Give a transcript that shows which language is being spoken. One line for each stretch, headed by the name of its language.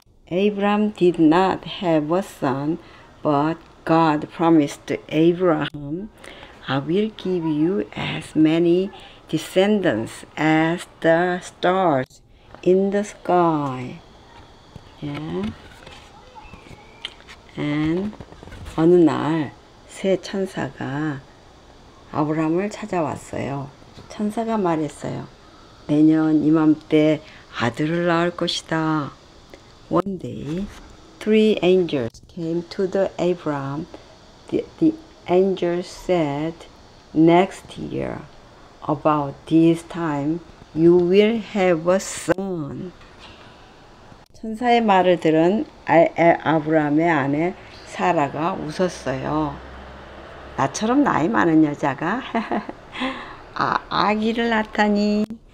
English: Abraham did not have a son, but God promised Abraham, I will give you as many descendants as the stars in the sky. Yeah.
Korean: And 어느 날 새 천사가 아브라함을 찾아왔어요. 천사가 말했어요. 내년 이맘때 아들을 낳을 것이다.
English: One day, three angels came to the Abraham. The angels said, Next year, about this time, you will have a son.
Korean: 천사의 말을 들은 아브라함의 아내 사라가 웃었어요. 나처럼 나이 많은 여자가 아기를 낳다니.